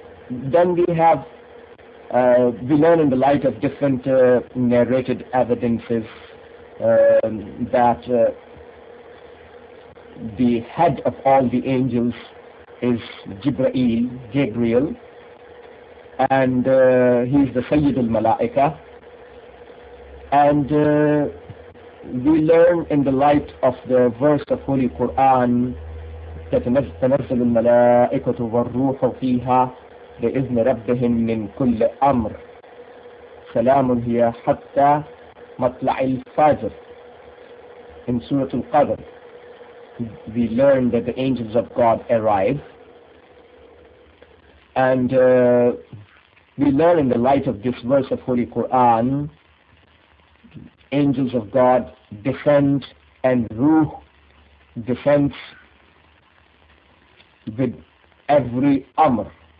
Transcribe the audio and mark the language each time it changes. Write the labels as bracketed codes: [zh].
[en] Then we have we learn in the light of different narrated evidences that the head of all the angels is Gabriel, and he is the Sayyid al-Malaika. And we learn in the light of the verse of Holy Quran that [ar] تَنَزَّلُ الْمَلَائِكَةُ وَالرُّوحُ فِيهَا بِإِذْنِ رَبِّهِمْ مِنْ كُلِّ أَمْرٍ سَلَامٌ هِيَ حَتَّى مَطْلَعِ الْفَجْرِ. [en] In Surah Al-Qadr, we learn that the angels of God arrive, and we learn in the light of this verse of Holy Quran, angels of God descend, and Ruh descends with every Amr.